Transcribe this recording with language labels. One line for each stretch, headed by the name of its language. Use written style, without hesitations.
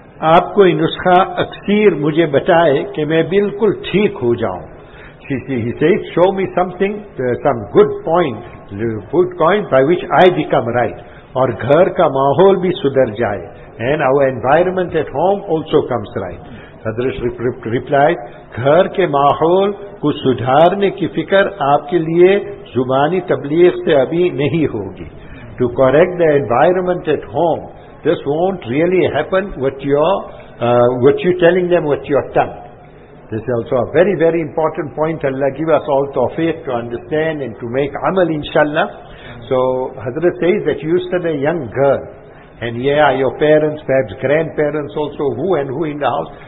Urdu: آپ کو یہ نسخہ اکثر مجھے بتائے کہ میں بالکل ٹھیک ہو جاؤں.
English: He says, show me something, some good point by which I become right.
Urdu: اور گھر کا ماحول بھی سدھر جائے.
English: And our environment at home also comes right.
Urdu: حضرت
English: replied,
Urdu: گھر کے ماحول کو سدھارنے کی فکر آپ کے لیے زبانی تبلیغ سے ابھی نہیں ہوگی.
English: To correct the environment at home, this won't really happen what you're telling them with your tongue. This is also a very, very important point. Allah give us all tawfiq to understand and to make amal, inshallah. So, Hazrat says that you used to be a young girl. And yeah, your parents, perhaps grandparents also, who and who in the house.